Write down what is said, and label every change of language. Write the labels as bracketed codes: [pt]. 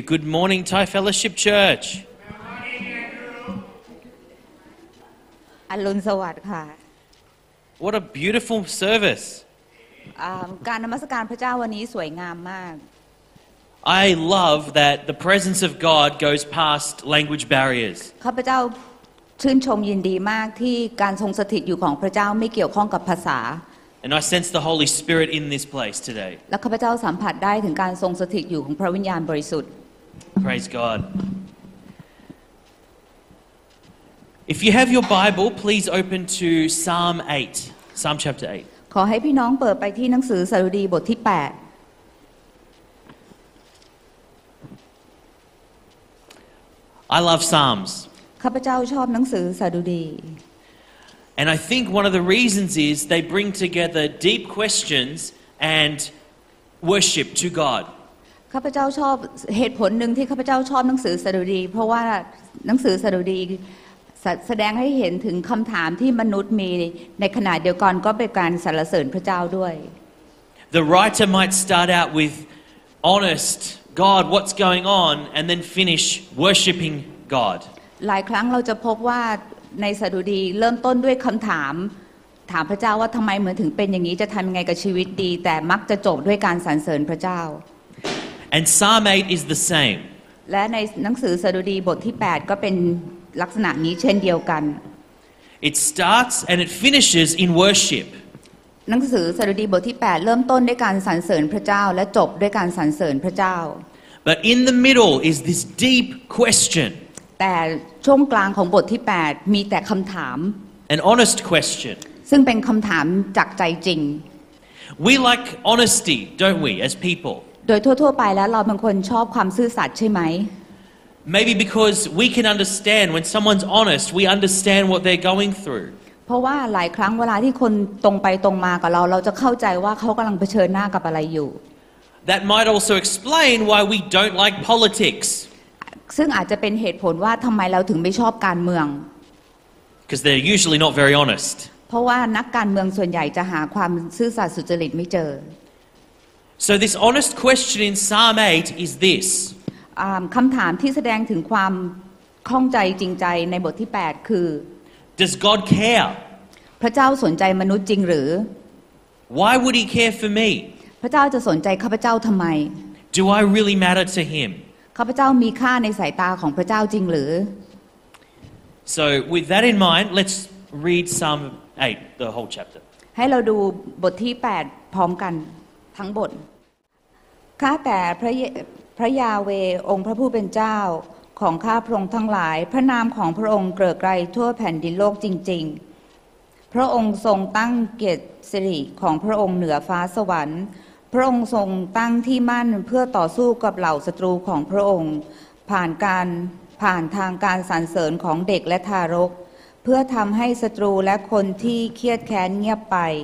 [en] Good morning, Thai Fellowship Church. [th] อรุณสวัสดิ์ค่ะ [en] What a beautiful service. [th] การนมัสการพระเจ้าวันนี้สวยงามมาก [en] I love that the presence of God goes past language barriers. [th] ข้าพเจ้าชื่นชมยินดีมากที่การทรงสถิตอยู่ของพระเจ้าไม่เกี่ยวข้องกับภาษา [en] And I sense the Holy Spirit in this place today. [th] และข้าพเจ้าสัมผัสได้ถึงการทรงสถิตอยู่ของพระวิญญาณบริสุทธิ์ [en] Praise God. If you have your Bible, please open to Psalm 8, Psalm chapter 8. [th] ขอให้พี่น้องเปิดไปที่หนังสือสดุดีบทที่8 [en] I love Psalms. [th] ข้าพเจ้าชอบหนังสือสดุดี [en] And I think one of the reasons is they bring together deep questions and worship to God. [th] ข้าพเจ้าชอบเหตุผลนึงที่ข้าพเจ้าชอบหนังสือสดุดีเพราะว่าหนังสือสดุดีแสดงให้เห็นถึงคำถามที่มนุษย์มีในขณะเดียวกันก็เป็นการสรรเสริญพระเจ้าด้วย [en] The writer might start out with honest God, what's going on, and then finish worshiping God. [th] หลายครั้งเราจะพบว่าในสดุดีเริ่มต้นด้วยคำถามถามพระเจ้าว่าทำไมเหมือนถึงเป็นอย่างนี้จะทำยังไงกับชีวิตดีแต่มักจะจบด้วยการสรรเสริญพระเจ้า [en] And Psalm 8 is the same [th] และในหนังสือสดุดีบทที่8ก็เป็นลักษณะนี้เช่นเดียวกัน [en] It starts and it finishes in worship [th] หนังสือสดุดีบทที่8เริ่มต้นด้วยการสรรเสริญพระเจ้าและจบด้วยการสรรเสริญพระเจ้า [en] But in the middle is this deep question [th] แต่ช่วงกลางของบทที่8มีแต่คำถาม [en] An honest question [th] ซึ่งเป็นคำถามจากใจจริง [en] We like honesty, don't we, as people? [th] โดยทั่วๆไปแล้วเราบางคนชอบความซื่อสัตย์ใช่ไหม [en] Maybe because we can understand when someone's honest, we understand what they're going through. [th] เพราะว่าหลายครั้งเวลาที่คนตรงไปตรงมากับเราเราจะเข้าใจว่าเขากำลังเผชิญหน้ากับอะไรอยู่ [en] That might also explain why we don't like politics. [th] ซึ่งอาจจะเป็นเหตุผลว่าทำไมเราถึงไม่ชอบการเมือง [en] Because they're usually not very honest [th] เพราะว่านักการเมืองส่วนใหญ่จะหาความซื่อสัตย์สุจริตไม่เจ [en] อ So this honest question in Psalm 8 is this [th] คำถามที่แสดงถึงความข้องใจจริงใจในบทที่8คือ [en] Does God care [th] พระเจ้าสนใจมนุษย์จริงหรือ [en] Why would he care for me [th] พระเจ้าจะสนใจข้าพเจ้าทำไม [en] Do I really matter to him [th] ข้าพเจ้ามีค่าในสายตาของพระเจ้าจริงหรือ [en] So with that in mind, let's read Psalm 8, the whole chapter. [th] ให้เราดูบทที่8พร้อมกันทั้งบทข้าแต่พระยาเวองค์พระผู้เป็นเจ้าของข้าพระองค์ทั้งหลายพระนามของพระองค์เกริกไกรทั่วแผ่นดินโลกจริง ๆพระองค์ทรงตั้งเกียรติสิริของพระองค์เหนือฟ้าสวรรค์พระองค์ทรงตั้งที่มั่นเพื่อต่อสู้กับเหล่าศัตรูของพระองค์ผ่านทางการสรรเสริญของเด็กและทารกเพื่อทำให้ศัตรูและคนที่เครียดแค้นเงียบไป